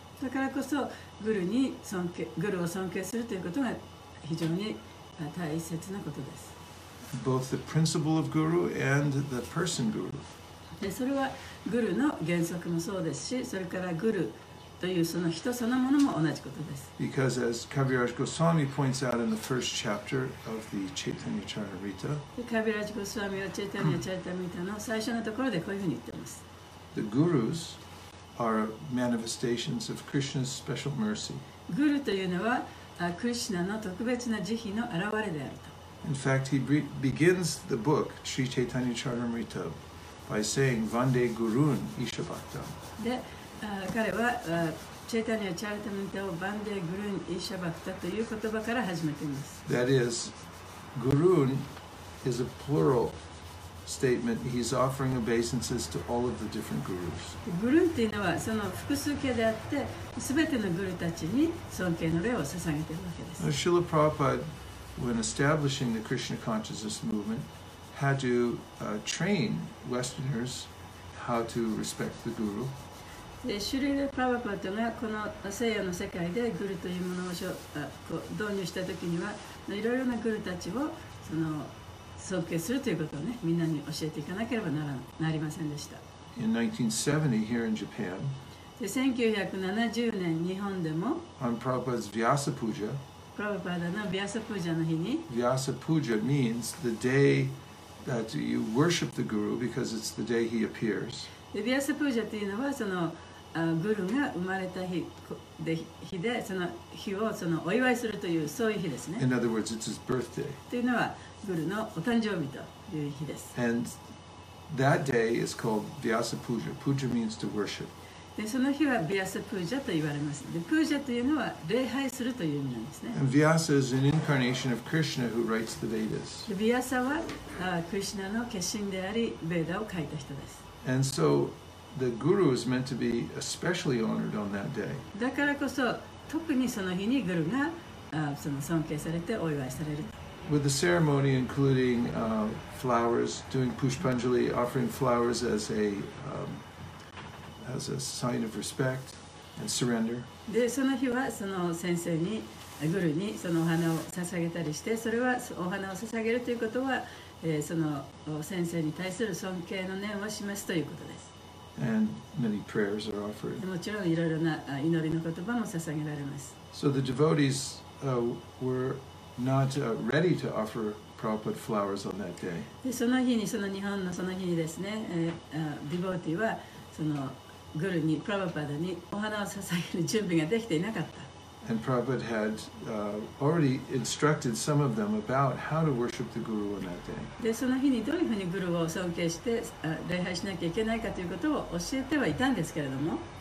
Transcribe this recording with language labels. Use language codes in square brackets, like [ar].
[ja] だからこそグルに尊敬、グルを尊敬するということが非常に大切なことです。 [en] Both the principle of guru and the person guru. [ja] それはグルの原則もそうですし、それからグルというその人そのものも同じことです。 [en] Because as Kaviraj Goswami points out in the first chapter of the Chaitanya Charitamrita, [ja] Kaviraj Goswami はチェイタニヤ・チャリタムリタの最初のところでこういうふうに言っています。 [en] The gurus. Are manifestations of Krishna's special mercy. [ja] Guru というのは、クリシナの特別な慈悲の現れであると。 [en] In fact, he begins the book, Sri Chaitanya Charitamrita, by saying, [sa] Vande Gurun Isha Bhaktam. で、 [ja] 彼は、チェタニア・チャルタムタをバンデ・グルーン・イシャバフタという言葉から始めています。 [en] That is, グルーン is a plural statement. He's offering obeisances to all of the different gurus. [ja] グルーンというのはその複数形であって、すべてのグルーたちに尊敬の礼を捧げているわけです。 [en] Srila Prabhupada, when establishing the Krishna Consciousness Movement, had to train Westerners how to respect the guru. [ja] でシュリル・プラバパッドがこの西洋の世界でグルというものをこう導入したときにはいろいろなグルたちをその尊敬するということを、ね、みんなに教えていかなければ なりませんでした [en] In 1970, here in Japan, [ja] で1970年日本でも [en] On Prabhupada's Vyasa Puja [ja] プラバパッドの Vyasa Puja の日に [en] Vyasa Puja means the day that you worship the guru because it's the day he appears [ja] でビアサプージャというのはそのグルが生まれた 日でその日をそのお祝いするというそういう日ですね。 [en] In other words, it's his birthday. [ja] というのはグルのお誕生日という日です。 [en] And that day is called Vyasa Puja. Puja means to worship. [ja] でその日はビアサプージャと言われます。でプージャというのは礼拝するという意味なんですね。 [en] And Vyasa is an incarnation of Krishna who writes the Vedas. [ja] でビアサはクリシナの化身でありベーダを書いた人です。 [en] And so the guru is meant to be especially honored on that day. [ja] だからこそ特にその日にグルがその尊敬されてお祝いされる。 [en] With the ceremony including flowers, doing pushpanjali, offering flowers as a as a sign of respect and surrender. [ja] でその日はその先生にグルにそのお花を捧げたりして、それはお花を捧げるということは。その先生に対する尊敬の念を示すということです。 [en] And many prayers are offered. [ja] もちろんいろいろな祈りの言葉も捧げられます。 [en] So the devotees were not ready to offer Prabhupada flowers on that day. [ja] でその日にその日本のその日にですね、ディボーティはそのグルにプラバパダにお花を捧げる準備ができていなかった。 [en] And Prabhupada had already instructed some of them about how to worship the Guru on that day. [ja] で、その日にどういうふうにグルを尊敬して礼拝しなきゃいけないかということを教えてはいたんですけれども。